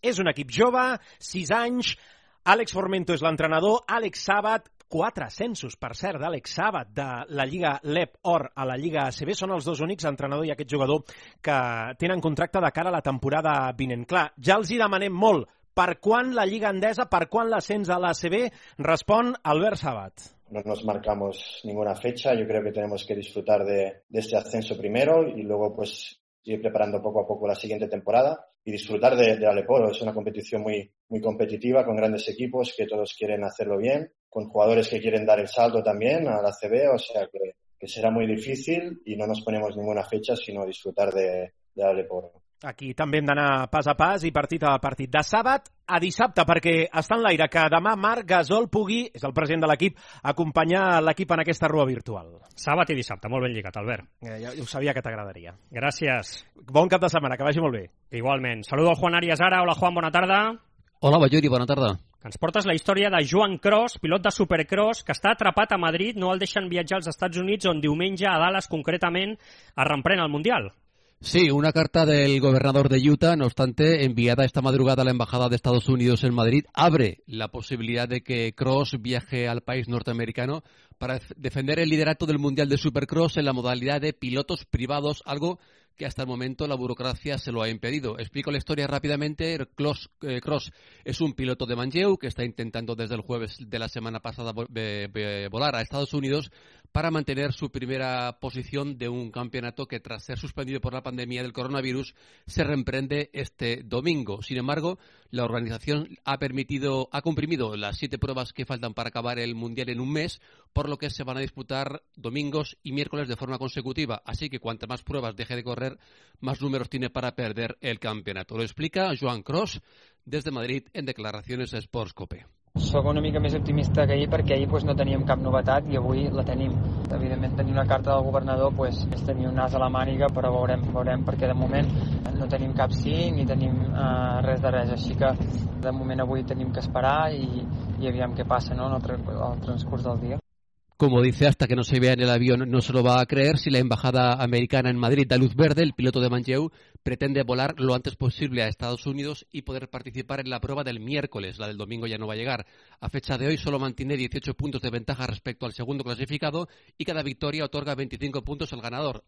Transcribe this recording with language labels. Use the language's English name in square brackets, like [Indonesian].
[Catalan] És un equip jove, 6 anys, Àlex Formento és l'entrenador, Àlex Sàbat, 4 ascensos, per cert, d'Àlex Sàbat, de la Lliga LEP Or a la Lliga ACB. Són els dos únics, entrenador i aquest jugador, que tenen contracte de cara a la temporada vinent. Clar, ja els hi demanem molt. Per quan la Lliga Endesa, per quan l'ascens a l'ACB? Respon Albert Sàbat. [Spanish] No nos marcamos ninguna fecha. Yo creo que tenemos que disfrutar de este ascenso primero y luego pues ir preparando poco a poco la siguiente temporada y disfrutar de Aleporo. Es una competición muy, muy competitiva con grandes equipos que todos quieren hacerlo bien, con jugadores que quieren dar el salto también a la ACB. O sea que será muy difícil y no nos ponemos ninguna fecha sino disfrutar de Aleporo. [Catalan] Aquí també hem d'anar pas a pas i partit a partit. De sàbat a dissabte, perquè està en l'aire que demà Marc Gasol pugui, és el president de l'equip, acompanyar l'equip en aquesta rua virtual. Sàbat i dissabte, molt ben lligat, Albert. Ja ho sabia que t'agradaria. Gràcies. Bon cap de setmana, que vagi molt bé. Igualment. Saludo al Juan Arias ara. Hola, Juan, bona tarda. Hola, Batllori, bona tarda. Que ens portes la història de Joan Cros, pilot de Supercross, que està atrapat a Madrid, no el deixen viatjar als Estats Units, on diumenge a Dallas, concretament, es reprèn el Mundial. [Spanish] Sí, una carta del gobernador de Utah, no obstante, enviada esta madrugada a la Embajada de Estados Unidos en Madrid, abre la posibilidad de que Cross viaje al país norteamericano para defender el liderato del Mundial de Supercross en la modalidad de pilotos privados, algo que hasta el momento la burocracia se lo ha impedido. Explico la historia rápidamente. Cross es un piloto de Manjeu que está intentando desde el jueves de la semana pasada volar a Estados Unidos para mantener su primera posición de un campeonato que, tras ser suspendido por la pandemia del coronavirus, se reemprende este domingo. Sin embargo, la organización ha comprimido las 7 pruebas que faltan para acabar el Mundial en un mes, por lo que se van a disputar domingos y miércoles de forma consecutiva. Así que cuantas más pruebas deje de correr, más números tiene para perder el campeonato. Lo explica Joan Cros desde Madrid en declaraciones a Sportscope. [Catalan] Soc una mica més optimista que ahir perquè ahir pues, no teníem cap novetat i avui la tenim. Evidentment tenir una carta del governador pues, és tenir un nas a la màniga, però veurem perquè de moment no tenim cap sí ni tenim res de res. Així que de moment avui tenim que esperar i aviam què passa, no?, en el transcurs del dia. [Spanish] Como dice, hasta que no se vea en el avión no se lo va a creer. Si la embajada americana en Madrid da luz verde, el piloto de Manjeu pretende volar lo antes posible a Estados Unidos y poder participar en la prueba del miércoles. La del domingo ya no va a llegar. A fecha de hoy solo mantiene 18 puntos de ventaja respecto al segundo clasificado y cada victoria otorga 25 puntos al ganador.